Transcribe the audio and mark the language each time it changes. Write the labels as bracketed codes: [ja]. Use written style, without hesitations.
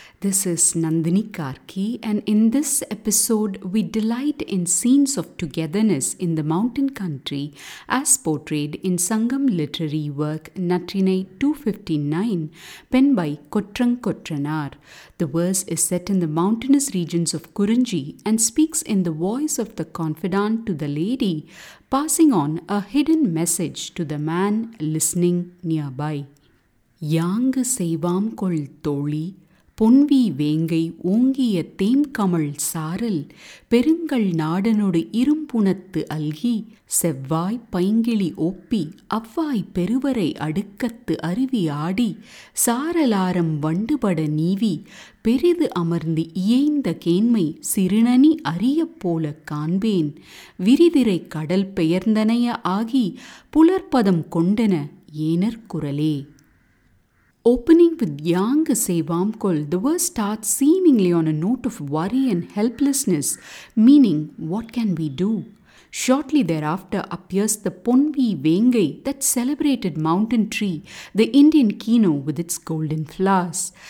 [en] This is Nandini Karki, and in this episode, we delight in scenes of togetherness in the mountain country as portrayed in Sangam literary work Natrinai 259, penned by Kotrankotranaar. The verse is set in the mountainous regions of Kurinji and speaks in the voice of the confidante to the lady, passing on a hidden message to the man listening nearby. [ta] யாங்கு செய்வாம் கொள் தோழி பொன்வி வேங்கை ஓங்கிய தேம்கமல் சாரல் பெருங்கள் நாடனொடு இரும்புணத்து algae செவ்வாய் பைங்கிளி ஒப்பி அவ்வாய் பெருவரை அடுக்கத்து அருவி ஆடி சாரலாரம் வண்டுபட நீவி பெரிது அமர்ந்து இயைந்த கேண்மை சிறுநனி அறியப் போல காண்பேன் விரிதிரை கடல் பெயர்ந்தனைய ஆகி புலர்பதம் கொண்டன ஏனற்குரலே. [en] Opening with Yang Sevamkol, the verse starts seemingly on a note of worry and helplessness, meaning, what can we do? Shortly thereafter appears the Ponvi Vengai, that celebrated mountain tree, the Indian kino with its golden flowers.